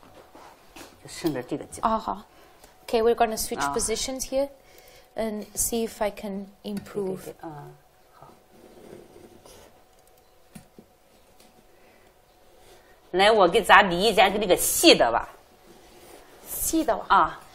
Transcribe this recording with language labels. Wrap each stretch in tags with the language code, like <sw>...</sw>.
<zh>这个和你好了以后，咱把这个弄来以后，好，这个调，来好，这是咱这一个方向，这样，就顺着这个角。哦，好。</zh> <en>Okay, we're gonna switch positions here, and see if I can improve.</en> <zh>对对，嗯，好。来，我给咱理一下这个细的吧。细的吧。啊。</zh>